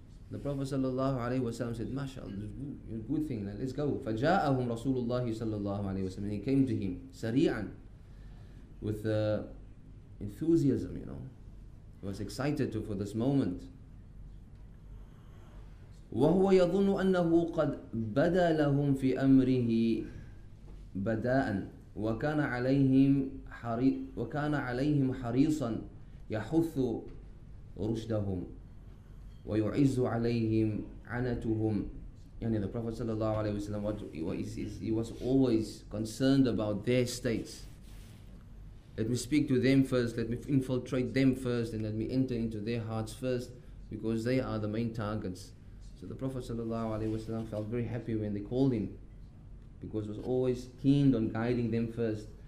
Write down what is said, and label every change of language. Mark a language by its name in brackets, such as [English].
[English] The Prophet sallallahu alaihi wasallam said, mashallah, good thing, let's go. [Arabic] فَجَاءَهُمْ رَسُولُ اللَّهِ صَلَّى اللَّهُ عَلَيْهِ وَسَلَّمَ, [English] and he came to him sari'an, with enthusiasm, you know. He was excited for this moment. [Arabic] وَهُوَ يَظُنُّ أَنَّهُ قَدْ بَدَى لَهُمْ فِي أَمْرِهِ بَدَاءً وَكَانَ عَلَيْهِمْ وكان عليهم حريصا يحث رشدهم ويعز عليهم عنتهم. يعني [English] the Prophet صلى الله عليه وسلم, he was always concerned about their states. Let me speak to them first, let me infiltrate them first, and let me enter into their hearts first, because they are the main targets. So the Prophet صلى الله عليه وسلم felt very happy when they called him, because he was always keen on guiding them first.